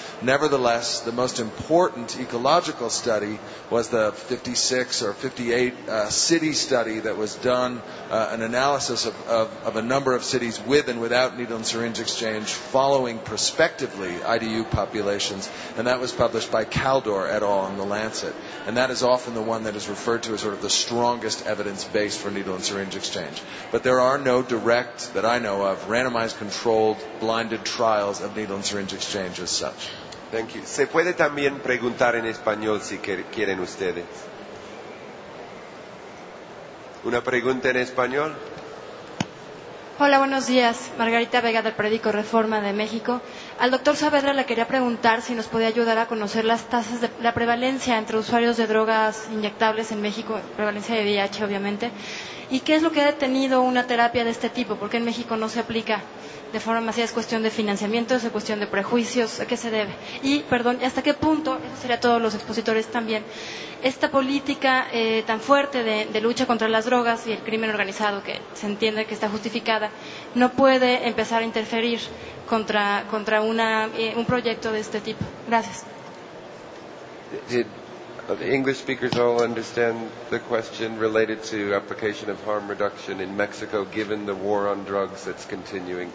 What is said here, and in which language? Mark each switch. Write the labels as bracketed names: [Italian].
[English] Nevertheless, the most important ecological study was the 56 or 58 city study that was done, an analysis of a number of cities with and without needle and syringe exchange following prospectively IDU populations, and that was published by Caldor et al. In The Lancet. And that is often the one that is referred to as sort of the strongest evidence base for needle and syringe exchange. But there are no direct, that I know of, randomized controlled blinded trials of needle and syringe exchange as such. Thank you. [Spanish] Se puede también preguntar en español si quieren ustedes. ¿Una pregunta en español? Hola, buenos días. Margarita Vega del periódico Reforma de México. Al doctor Saavedra le quería preguntar si nos podía ayudar a conocer las tasas de la prevalencia entre usuarios de drogas inyectables en México, prevalencia de VIH, obviamente, y qué es lo que ha detenido una terapia de este tipo, porque en México no se aplica de forma masiva, es cuestión de financiamiento, es cuestión de prejuicios, ¿a qué se debe? Y, perdón, ¿hasta qué punto, eso sería todos los expositores también, esta política tan fuerte de lucha contra las drogas y el crimen organizado, que se entiende que está justificada, no puede empezar a interferir contra un proyecto de este tipo? Gracias. [English] Did the English speakers all understand the question related to application of harm reduction in Mexico, given the war on drugs that's continuing?